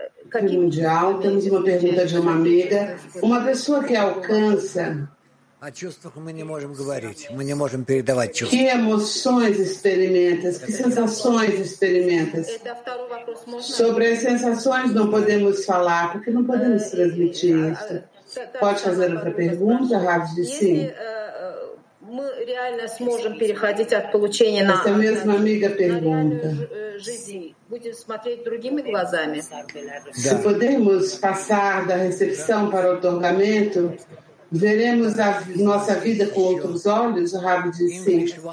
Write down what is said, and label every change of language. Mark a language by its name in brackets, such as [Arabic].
[Portuguese] Aqui mundial, temos uma pergunta de uma amiga. Uma pessoa que alcança... [Russian] О чувствах мы не можем говорить, мы не можем передавать чувства. [Portuguese] Que emoções experimentas? Que sensações experimentas? Sobre as sensações não podemos falar, porque não podemos transmitir isso. Pode fazer outra pergunta, Rádio de Sim? [Russian] Мы реально сможем переходить от получения на... [Portuguese] Essa mesma amiga pergunta. [Russian] Будем смотреть другими глазами? [Portuguese] Se podemos passar da recepção para o otorgamento... Veremos a nossa vida com outros olhos, o Rabi diz sim.